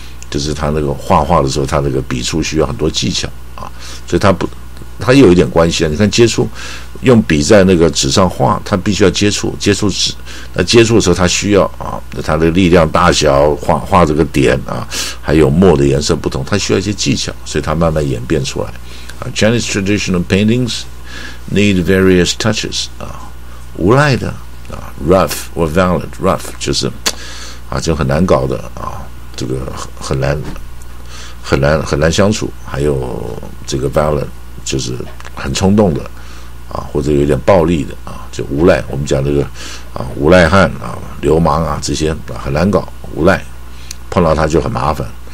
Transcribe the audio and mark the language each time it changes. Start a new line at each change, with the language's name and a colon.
Chinese: 就是他那个画画的时候，他那个笔触需要很多技巧啊，所以他有一点关系啊。你看接触，用笔在那个纸上画，他必须要接触纸，那接触的时候他需要啊，他的力量大小，画这个点啊，还有墨的颜色不同，他需要一些技巧，所以他慢慢演变出来啊。
English: Chinese traditional paintings need various touches
Chinese: 啊，无赖的啊 ，
English: rough or violent rough
Chinese: 就是啊，就很难搞的啊。这个很难相处，还有这个 violent 就是很冲动的啊，或者有点暴力的啊，就无赖，我们讲这个啊，无赖汉啊，流氓啊，这些啊很难搞，无赖碰到他就很麻烦。